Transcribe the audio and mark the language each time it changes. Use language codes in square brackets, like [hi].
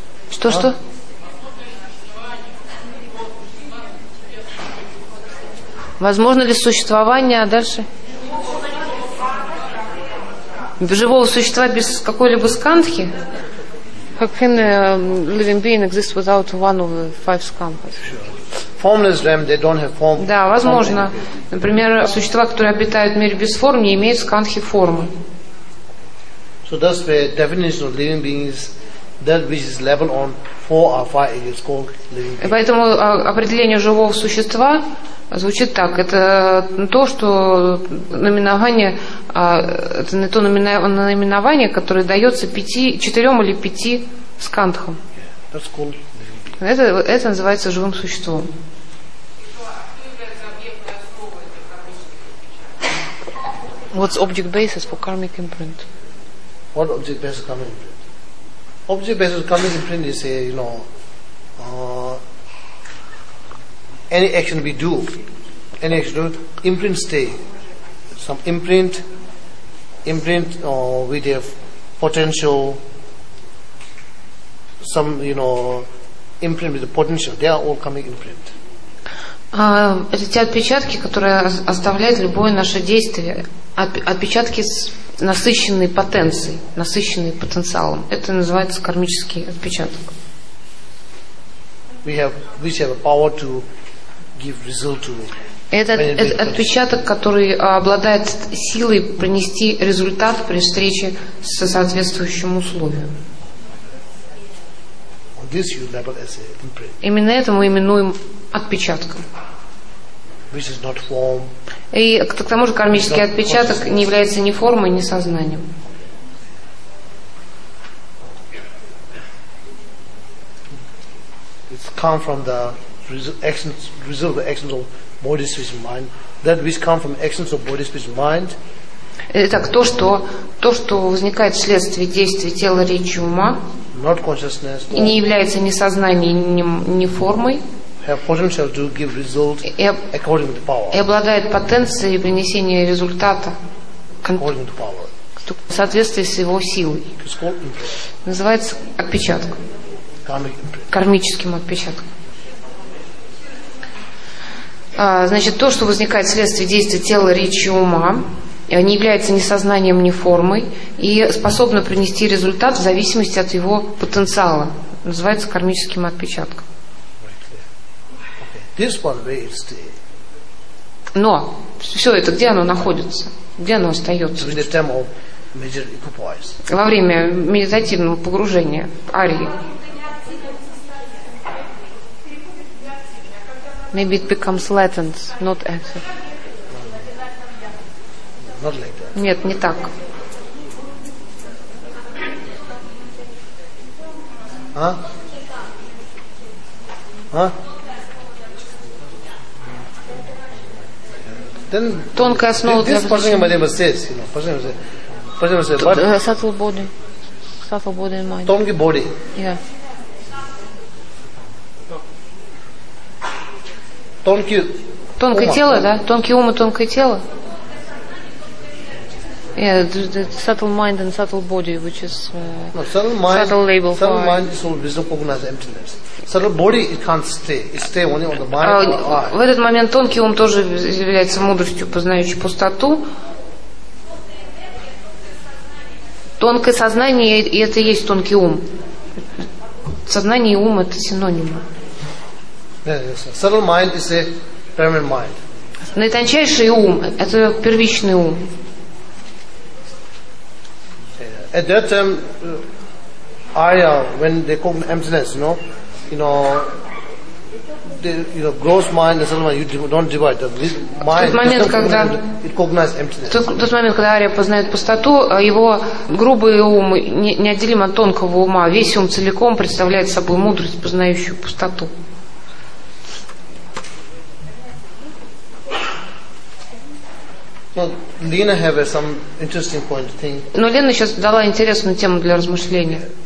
[ru] Что-что? Возможно ли существование, а дальше? Живого существа без какой-либо скандхи? [en] How can a living being exist without one of the five skandhas? Formless realm, they don't have form. [ru] Да, возможно. Например, существа, которые обитают в мире без форм, не имеют скандхи формы. [en] So that's the definition of living beings. That which is level on four or five it is called living being. [ru] Поэтому определение живого существа звучит так. Это то, что наименование, это не то наименование, которое дается пяти, четырем или пяти скандхам. Это называется живым существом. [en] What's object basis for karmic imprint? What object basis karmic imprint? Object basis karmic imprint is a, you know, any action we do, any action we do, imprint stay. Some imprint with a potential, some, you know, imprint with a potential, they are all karmic imprint. [ru] Это те отпечатки, которые оставляет любое наше действие. Отпечатки с насыщенной потенцией, насыщенной потенциалом. Это называется кармический отпечаток. [en] We have power to give result to. [ru] Это отпечаток, который обладает силой принести результат при встрече со соответствующим условием. [en] This you label as an imprint. [ru] Именно это мы именуем отпечатком. [en] Which is not form. [ru] И к тому же кармический отпечаток не является ни формой, ни сознанием. [en] It comes from the actions, result of actions of body, speech, mind. That which comes from actions of body, speech, mind. [ru] Итак, то, что возникает вследствие действий тела, речи, ума, [en] not consciousness, [ru] и не является ни сознанием, ни формой. [en] Have potential to give result according to power. [ru] И обладает потенцией принесения результата [en] according to power. [ru] В соответствии с его силой. [en] It's called imprint. [ru] Называется отпечатком. [en] Karmic imprint. [ru] Кармическим отпечатком. Значит, то, что возникает вследствие действия тела, речи, ума, не является ни сознанием, ни формой, и способно принести результат в зависимости от его потенциала. Называется кармическим отпечатком. [en] This one, where it stays. [ru] Но все это, где оно находится? Где оно остается? [en] During the time of major equipoise. [ru] Во время медитативного погружения, арии. [en] Maybe it becomes latent, not active. Not like that. [ru] Нет, не так. А? А? [en] Then [ru] тонкая основа для [en] Пажнима Дима says, you know, Пажнима says, Пажнима says, what? Subtle body and mind. [ru] Тонкий [en] body. Yeah. [ru] Тонкое ума, тело, да? Тонкий ум и тонкое тело. [en] Yeah, the subtle mind and subtle body, which is subtle label. Subtle mind is all wisdom cognized emptiness. Subtle body it can't stay. It stay only on the mind. [ru] В этот момент тонкий ум тоже является мудростью, познающей пустоту. Тонкое сознание, и это и есть тонкий ум. Сознание и ум — это синонимы. [en] Subtle mind is a permanent mind. [ru] Наитончайший ум, это первичный ум. [en] At that time, Arya, when they call emptiness, you know, gross mind and subtle mind, you don't divide them. This mind, it recognizes emptiness. [ru] Тот момент, когда Ария познает пустоту, его грубый ум неотделим от тонкого ума. Весь ум целиком представляет собой мудрость, познающую пустоту. [en] Lena have some interesting point thing. [ru] Но Лена сейчас дала интересную тему для размышления.